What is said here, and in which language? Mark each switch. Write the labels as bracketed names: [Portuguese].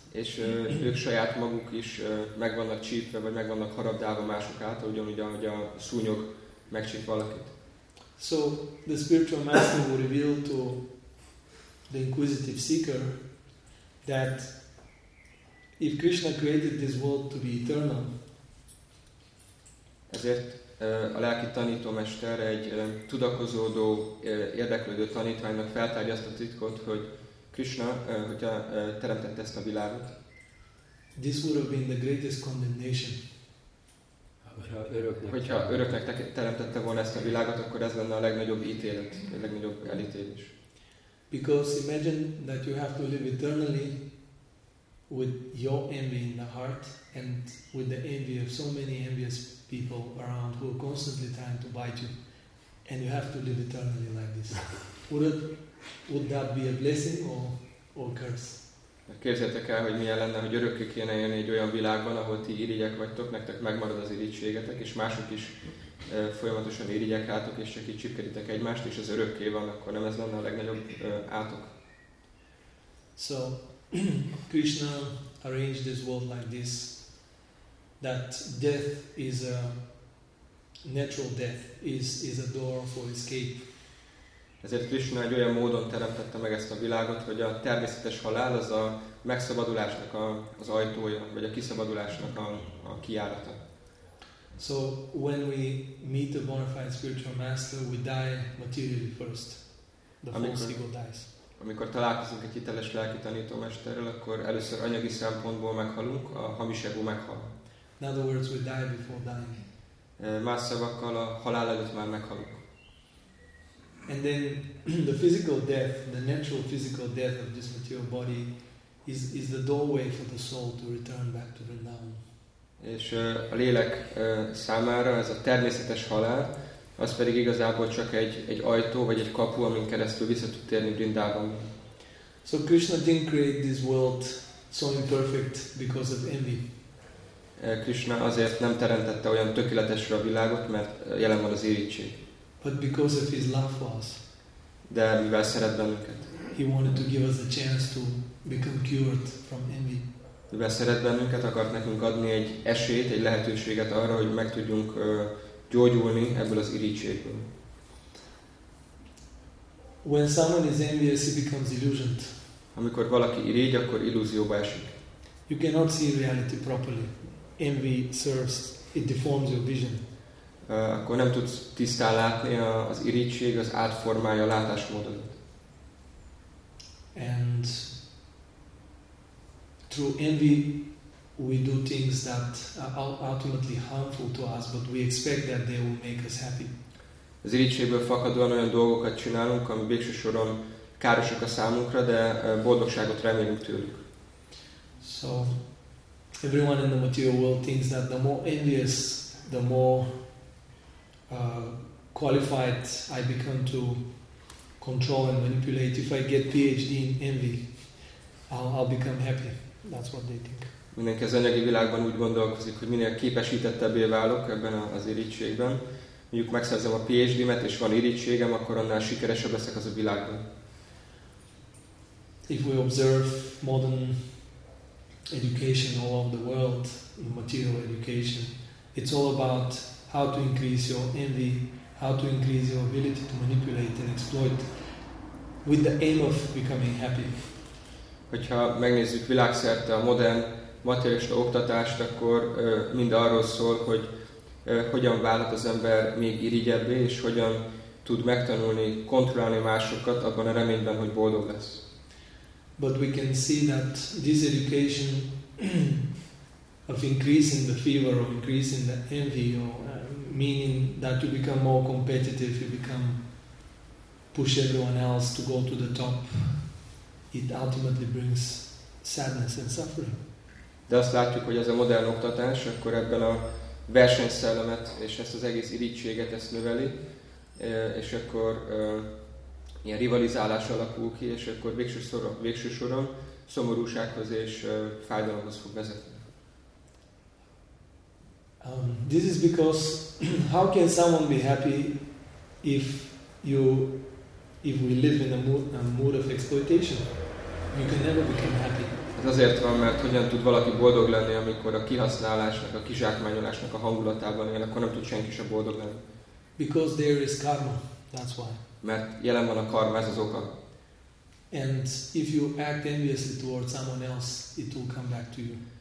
[Hungarian] És ők saját maguk is meg vannak csípve, vagy meg vannak harapdálva mások által, ugyanúgy, ahogy a szúnyog megcsíp valakit. [English] So the spiritual master will reveal to the inquisitive seeker that if Krishna created this world to be eternal, [Hungarian] ezért a lelki tanítómester egy tudakozódó, érdeklődő tanítványnak feltárja azt a titkot, hogy Krishna, hogyha teremtett ezt a világot. [English] This would have been the greatest condemnation. [Hungarian] Hogyha öröknek teremtette volna ezt a világot, akkor ez lenne a legnagyobb ítélet, a legnagyobb elítélés. [English] Because imagine that you have to live eternally with your envy in the heart and with the envy of so many envious people around who are constantly trying to bite you, and you have to live eternally like this. Would that be a blessing or a curse? [Hungarian] Képzeljétek el, hogy milyen lenne, hogy örökké kéne jönni egy olyan világban, ahol ti irigyek vagytok, nektek megmarad az irigységetek, és mások is folyamatosan irigyek rátok, és csak így csipkeditek egymást, és az örökké van, akkor nem ez lenne a legnagyobb átok? [English] So, Krishna arranged this world like this, that death is a natural death, is a door for escape. [Hungarian] Ezért Krishna egy olyan módon teremtette meg ezt a világot, hogy a természetes halál az a megszabadulásnak az ajtója, vagy a kiszabadulásnak a kijárata. [English] So when we meet a bona fide spiritual master, we die materially first. False ego dies. [Hungarian] Amikor találkozunk egy hiteles lelki tanítómesterrel, akkor először anyagi szempontból meghalunk, a hamis ego meghal. [English] In other words, we die before dying. [Hungarian] Más szavakkal, a halál előtt már meghalunk. [English] And then the physical death, the natural physical death of this material body is the doorway for the soul to return back to Vrindavan. [Hungarian] És a lélek számára ez a természetes halál, az pedig igazából csak egy ajtó vagy egy kapu, amin keresztül vissza tud térni Vrindavanba. [English] So Krishna didn't create this world so imperfect because of envy. [Hungarian] Krishna azért nem teremtette olyan tökéletesre a világot, mert jelen van az irigység. [English] But because of his love for us, [Hungarian] de mivel szeret bennünket, [English] he wanted to give us a chance to become cured from envy. [Hungarian] Mivel szeret bennünket, akart nekünk adni egy esélyt, egy lehetőséget arra, hogy meg tudjunk gyógyulni ebből az irigységből. [English] When someone is envious, he becomes illusioned. [Hungarian] Amikor valaki irigy, akkor illúzióba esik. [English] You cannot see reality properly. Envy serves, it deforms your vision. [Hungarian] Akkor nem tudsz tisztán látni, az irigység, az átformálja a látásmódodat. [English] And through envy we do things that are ultimately harmful to us, but we expect that they will make us happy. [Hungarian] Az irigységből fakadóan olyan dolgokat csinálunk, ami végső soron károsak a számunkra, de boldogságot remélünk tőlük. [English] So everyone in the material world thinks that the more envious, the more qualified I become to control and manipulate. If I get PhD in envy, I'll become happy. That's what they think. [Hungarian] Mindenki az anyagi világban úgy gondolkozik, hogy minél képesítettebbé válok ebben az irigységben, mondjuk megszerzem a PhD-met és van irigységem, akkor annál sikeresebb leszek az a világban. [English] If we observe modern education all over the world, material education, it's all about how to increase your envy, how to increase your ability to manipulate and exploit with the aim of becoming happy. [Hungarian] Hogyha megnézzük világszerte a modern materialista oktatást, akkor mind arról szól, hogy hogyan válhat az ember még irigyebbé, és hogyan tud megtanulni, kontrollálni másokat abban a reményben, hogy boldog lesz. [English] But we can see that this education of increasing the fever or increasing the envy or meaning that you become more competitive, you become push everyone else to go to the top, it ultimately brings sadness and suffering. [Hungarian] De azt látjuk, hogy ez a modern oktatás, akkor ebben a versenyszellemet és ezt az egész irigységet ezt növeli, és akkor ilyen rivalizálás alakul ki, és akkor végső soron szomorúsághoz és fájdalomhoz fog vezetni. [English] This is because how can someone be happy if we live in a mood of exploitation? You can never become happy. [Hungarian] Ez azért van, mert hogyan tud valaki boldog lenni, amikor a kihasználásnak, a kizsákmányolásnak a hangulatában él, akkor nem tud senki sem boldog lenni. [English] Because there is karma, that's why. [Hungarian] Mert jelen van a karma, ez az oka. [English] And if you act enviously towards someone else, it will come back to you.